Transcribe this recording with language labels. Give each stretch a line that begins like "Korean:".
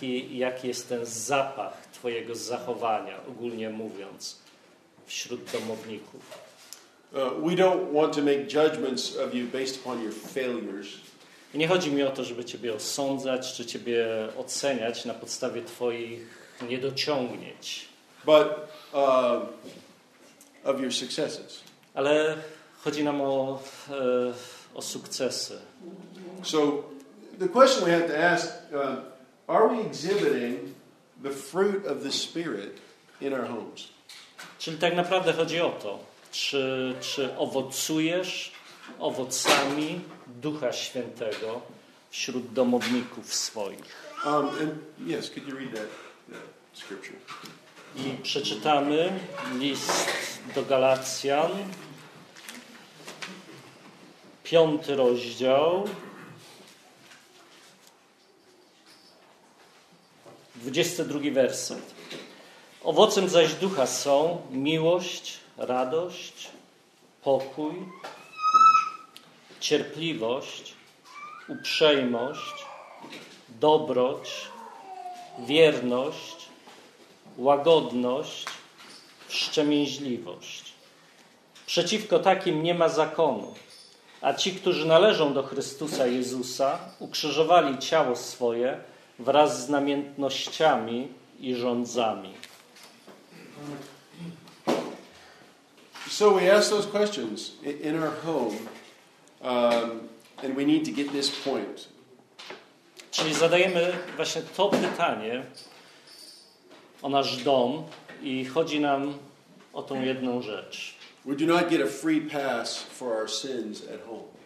Polish: Jaki jest ten zapach twojego zachowania, ogólnie mówiąc, wśród domowników.
English: We don't want to make judgments of you based upon your failures.
Polish: Nie chodzi mi o to, żeby ciebie osądzać czy ciebie oceniać na podstawie twoich niedociągnięć.
English: But of your successes.
Polish: Ale chodzi nam o sukcesy.
English: So the question we have to ask, are we exhibiting the fruit of the Spirit in our homes?
Polish: Czyli tak naprawdę chodzi o to, czy owocujesz owocami Ducha Świętego wśród domowników swoich.
English: Yes, could you read that scripture?
Polish: I przeczytamy list do Galacjan, 5 rozdział, 22 werset. Owocem zaś ducha są miłość, radość, pokój, cierpliwość, uprzejmość, dobroć, wierność, łagodność, wstrzemięźliwość. Przeciwko takim nie ma zakonu. A ci, którzy należą do Chrystusa Jezusa, ukrzyżowali ciało swoje wraz z namiętnościami i żądzami.
English: So we ask those questions in our home, and we need to get this point.
Polish: Czyli zadajemy właśnie to pytanie o nasz dom i chodzi nam o tą jedną rzecz.
English: We do not get a free pass for our sins at home.